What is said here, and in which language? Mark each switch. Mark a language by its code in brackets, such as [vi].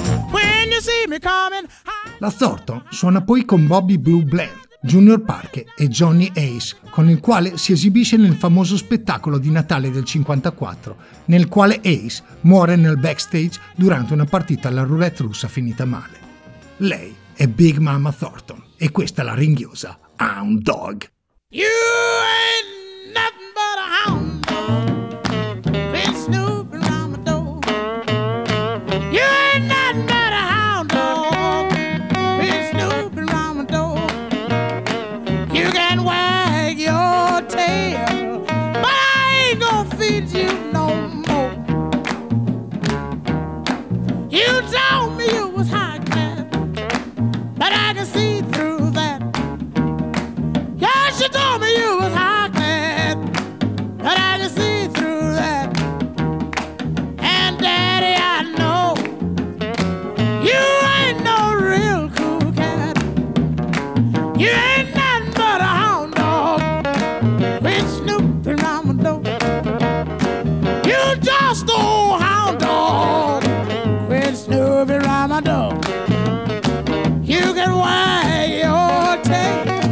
[en] When you see me coming, [it] la Thornton suona poi con Bobby Blue Bland, Junior Parker e Johnny Ace, con il quale si esibisce nel famoso spettacolo di Natale del 54, nel quale Ace muore nel backstage durante una partita alla roulette russa finita male. Lei è Big Mama Thornton e questa è la ringhiosa Hound Dog. [en] You ain't nothing but a hound dog. Been snooping around my door. You ain't nothing but a hound dog. Been snooping around my door. You can wag your tail, but I ain't gonna feed you no more. You told me you was high class, but I can see through. You told me you was high class, but I can see through that. And daddy, I know you ain't no real cool cat. You ain't nothing but a hound dog been snooping around my door. You just old hound dog been snooping around my door. You can wag your tail,